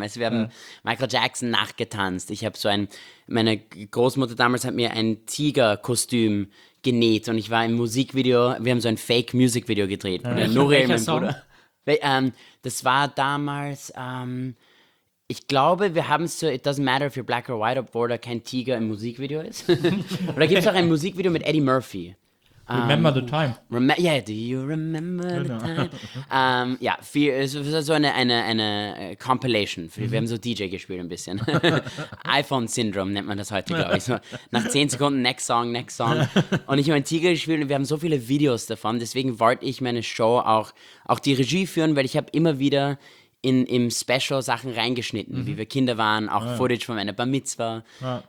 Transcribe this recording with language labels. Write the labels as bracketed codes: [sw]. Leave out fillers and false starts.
[de] Weißt, wir haben Michael Jackson nachgetanzt. Ich habe meine Großmutter damals hat mir ein Tigerkostüm genäht und ich war im Musikvideo, wir haben so ein Fake-Music-Video gedreht. Ja, Nurel, mein Bruder. Das war damals, ich glaube, wir haben es so, [en] it doesn't matter if you're black or white, [de] obwohl da kein Tiger im Musikvideo ist. Oder gibt es auch ein Musikvideo mit Eddie Murphy, [en] Remember the time. Do you remember the time? [de] Es war so eine Compilation. Wir haben so DJ gespielt ein bisschen. iPhone-Syndrom nennt man das heute, glaube ich. So, nach 10 Sekunden, next song. Und ich habe einen Tiger gespielt und wir haben so viele Videos davon. Deswegen wollte ich meine Show auch die Regie führen, weil ich habe immer wieder im Special Sachen reingeschnitten, wie wir Kinder waren, auch Footage von meiner Bar Mitzwa. Ja.